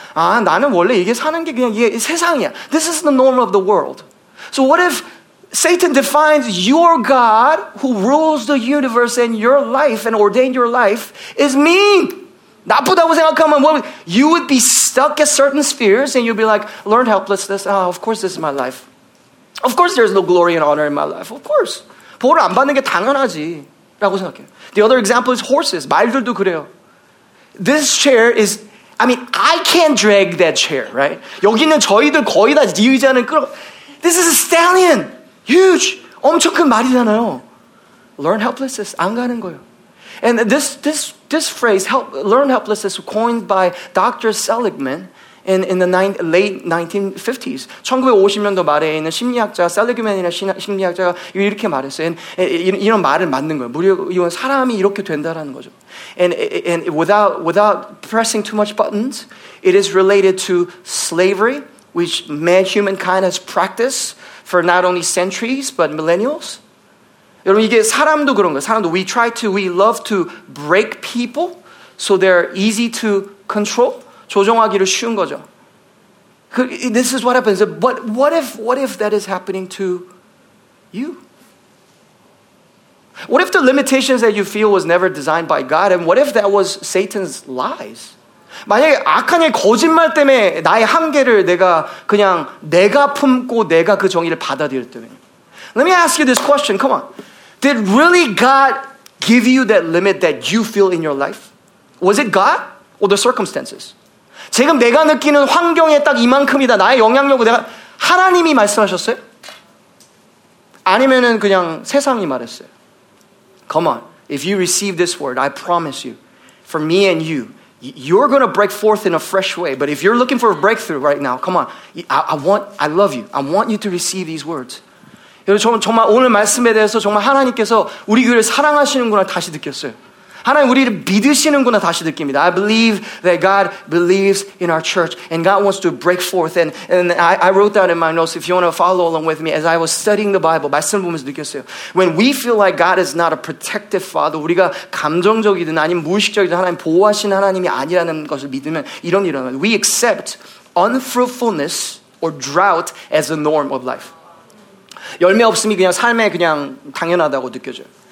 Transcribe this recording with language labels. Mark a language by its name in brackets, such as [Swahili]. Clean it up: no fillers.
[Korean] 아, 나는 원래 이게 사는 게 그냥 이게 세상이야. [English] This is the norm of the world. So what if Satan defines your God who rules the universe and your life and ordained your life is mean. [Korean] 나쁘다고 생각하면 [English] what, you would be stuck at certain spheres and you'd be like, learned helplessness. Oh, of course this is my life. Of course there's no glory and honor in my life. Of course. [Korean] 보호를 안 받는 게 당연하지. 라고 생각해요. [English] The other example is horses. [Korean] 말들도 그래요. [English] This chair is, I mean, I can't drag that chair, right? [Korean] 여기 있는 저희들 거의 다 의자는 끌어. [English] This is a stallion. Huge! [Korean] 엄청 큰 말이잖아요. [English] Learn helplessness. [Korean] 안 가는 거예요. [English] And this phrase, learn helplessness, coined by Dr. Seligman in the late 1950s. [Korean] 1950년도 말에 있는 심리학자, Seligman이라는 심리학자가 이렇게 말했어요. And 이런 말을 만든 거예요. 무려 이건 사람이 이렇게 된다라는 거죠. [English] And without pressing too much buttons, it is related to slavery, which humankind has practiced for not only centuries, but millennials. [Korean] 여러분, 이게 사람도 그런 거예요. 사람도. [English] We love to break people so they're easy to control. [Korean] 조종하기를 쉬운 거죠. [English] This is what happens. But what if that is happening to you? What if the limitations that you feel was never designed by God? And what if that was Satan's lies? [Korean] 만약에 악한 영의 거짓말 때문에 나의 한계를 내가 품고 내가 그 정의를 받아들였다면. [English] Let me ask you this question. Come on. Did really God give you that limit that you feel in your life? Was it God or the circumstances? [Korean] 지금 내가 느끼는 환경에 딱 이만큼이다. 나의 영향력을 내가 하나님이 말씀하셨어요? 아니면은 그냥 세상이 말했어요? [English] Come on. If you receive this word, I promise you, for me and you, you're going to break forth in a fresh way. But if you're looking for a breakthrough right now, come on. I love you. I want you to receive these words. [Korean] 여러분, 정말 오늘 말씀에 대해서 정말 하나님께서 우리 교회를 사랑하시는구나 다시 느꼈어요. 하나님 우리를 믿으시는구나 다시 느낍니다. [English] I believe that God believes in our church and God wants to break forth. And I wrote that in my notes if you want to follow along with me as I was studying the Bible. [Korean] 말씀을 보면서 느꼈어요. [English] When we feel like God is not a protective father, [Korean] 우리가 감정적이든 아니면 무의식적이든 하나님 보호하시는 하나님이 아니라는 것을 믿으면 이런 일은 [English] we accept unfruitfulness or drought as a norm of life. [Korean] 열매 없음이 그냥 삶에 그냥 당연하다고 느껴져요.